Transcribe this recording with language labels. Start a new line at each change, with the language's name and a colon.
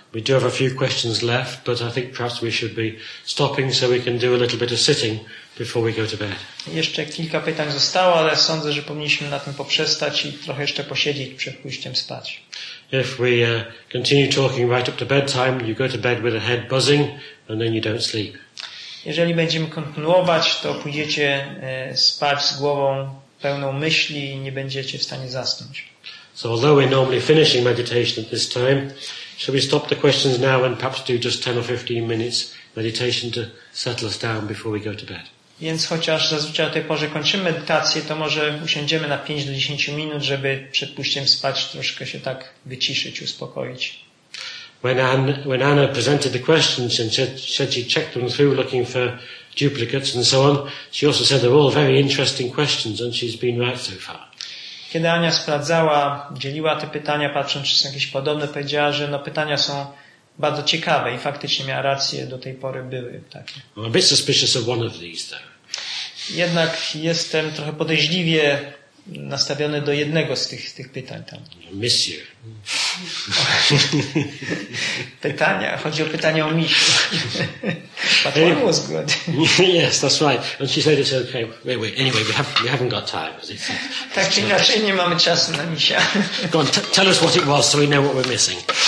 English: We do have a few questions left, but I think perhaps we should be stopping so we can do a little bit of sitting before we go to bed.
Polish: Jeszcze kilka pytań zostało, ale sądzę, że powinniśmy na tym poprzestać i trochę jeszcze posiedzieć przed pójściem spać.
English: If we continue talking right up to bedtime, you go to bed with a head buzzing and then you don't sleep.
Polish: Jeżeli będziemy kontynuować, to pójdziecie spać z głową pełną myśli i nie będziecie w stanie zasnąć.
English: So although we're normally finishing meditation at this time, shall we stop the questions now and perhaps do just 10 or 15 minutes meditation to settle us down before we go to bed?
Polish: Więc chociaż zazwyczaj o tej porze kończymy medytację, to może usiądziemy na 5 do 10 minut, żeby przed pójściem spać troszkę się tak wyciszyć, uspokoić.
English: When Anna presented the questions and said she checked them through looking for duplicates and so on, she also said they're all very interesting questions and she's been right so far.
Polish: Kiedy Ania sprawdzała, dzieliła te pytania, patrząc, czy są jakieś podobne, powiedziała, że no, pytania są bardzo ciekawe i faktycznie miała rację, do tej pory były takie.
English: I'm a bit suspicious of one of these, though.
Polish: Jednak jestem trochę podejrzliwie nastawiony do jednego z tych pytań tam.
English: Miss you.
Polish: Pytania. Chodzi o pytanie o misiu.
English: Anyway, <one was good. laughs> yes, that's right. And she said it's okay. Wait. Anyway, we haven't got time.
Polish: Tak czy inaczej, nie mamy czasu na misia.
English: Go on, tell us what it was so we know what we're missing.